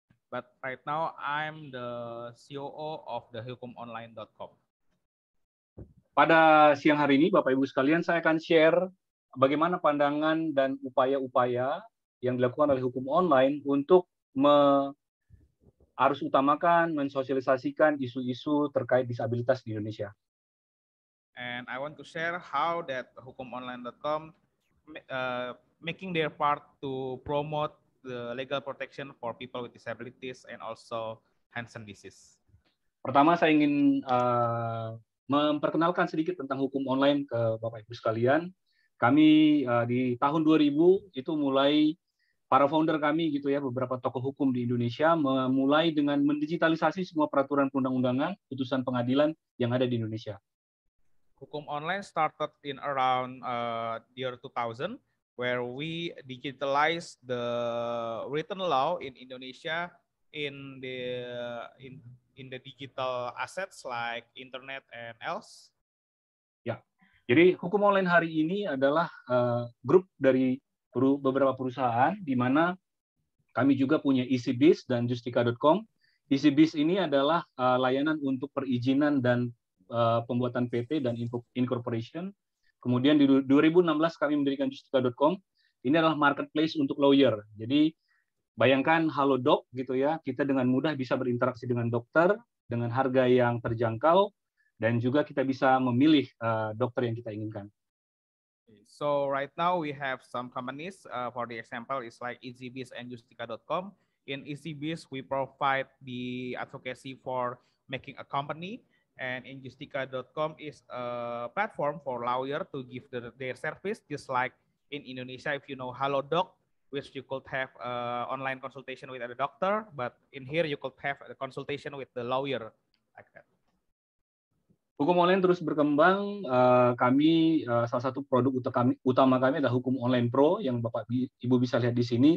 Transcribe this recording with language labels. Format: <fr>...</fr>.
<en>But right now, I'm the COO of the hukumonline.com.</en> <id>Pada siang hari ini, Bapak-Ibu sekalian, saya akan share bagaimana pandangan dan upaya-upaya yang dilakukan oleh Hukum Online untuk harus utamakan mensosialisasikan isu-isu terkait disabilitas di Indonesia.</id> <en>And I want to share how that hukumonline.com making their part to promote the legal protection for people with disabilities and also Hansen disease.</en> <id>Pertama saya ingin memperkenalkan sedikit tentang Hukum Online ke Bapak Ibu sekalian. Kami di tahun 2000 itu mulai para founder kami gitu ya, beberapa tokoh hukum di Indonesia memulai dengan mendigitalisasi semua peraturan perundang-undangan, putusan pengadilan yang ada di Indonesia. Hukum Online started in around year 2000 where we digitalize the written law in Indonesia in the digital assets like internet and else. Ya. Jadi Hukum Online hari ini adalah grup dari beberapa perusahaan di mana kami juga punya EasyBiz dan Justika.com. EasyBiz ini adalah layanan untuk perizinan dan pembuatan PT dan incorporation. Kemudian di 2016 kami mendirikan Justika.com. Ini adalah marketplace untuk lawyer. Jadi bayangkan Halo Dok gitu ya, kita dengan mudah bisa berinteraksi dengan dokter dengan harga yang terjangkau dan juga kita bisa memilih dokter yang kita inginkan.</id> <en>So right now we have some companies. For the example, it's like EasyBiz and Justika.com. In EasyBiz, we provide the advocacy for making a company, and in Justika.com is a platform for lawyer to give their service, just like in Indonesia, if you know Halo Doc, which you could have a online consultation with a doctor, but in here you could have a consultation with the lawyer like that.</en> <id>Hukum Online terus berkembang. Kami salah satu produk utama kami adalah Hukum Online Pro yang Bapak Ibu bisa lihat di sini.</id>